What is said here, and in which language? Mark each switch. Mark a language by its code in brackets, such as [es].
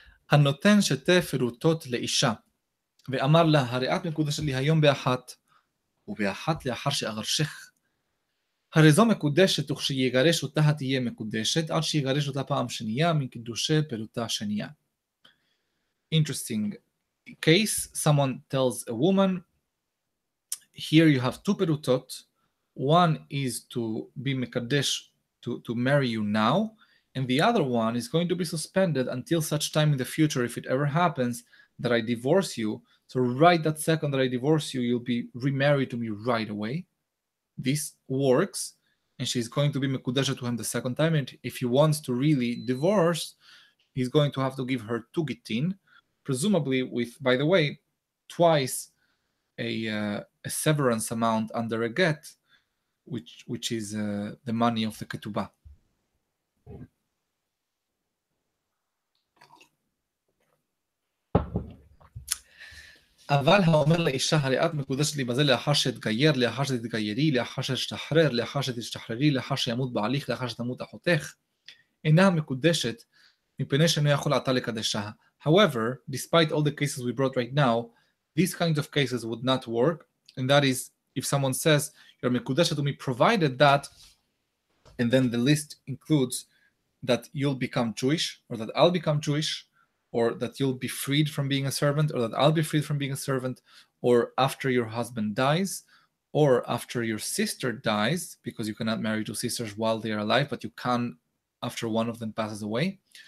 [he] הנותן שתי פירוטות לאישה, ואמר לה, הרי את מקודשת לי היום באחת, ובאחת לאחר שאגרשך. הרי זו מקודשת, וכשיגרש אותה תהיה מקודשת, עד שיגרש אותה פעם שנייה, מקדושי פירוטה שנייה. [en] Interesting case, someone tells a woman, here you have two פירוטות, one is to be מקדש, to marry you now, and the other one is going to be suspended until such time in the future, if it ever happens, that I divorce you. So right that second that I divorce you, you'll be remarried to me right away. This works. And she's going to be mekudeshet to him the second time. And if he wants to really divorce, he's going to have to give her two gittin, presumably with, by the way, twice a severance amount under a get, which is the money of the ketubah. [he] אבל האומר לאישה, הרי את מקודשת לי בזה לאחר שאתגייר, לאחר שאתגיירי, לאחר שאשתחרר, לאחר שתשתחררי, לאחר שימות בעליך, לאחר שתמות אחותך, אינה מקודשת מפני שאינו יכול עתה לקדשה. [en] However, despite all the cases we brought right now, these kinds of cases would not work, and that is, if someone says, you're מקודשת to me, provided that, and then the list includes that you'll become Jewish, or that I'll become Jewish, or that you'll be freed from being a servant, or that I'll be freed from being a servant, or after your husband dies, or after your sister dies, because you cannot marry two sisters while they are alive, but you can after one of them passes away.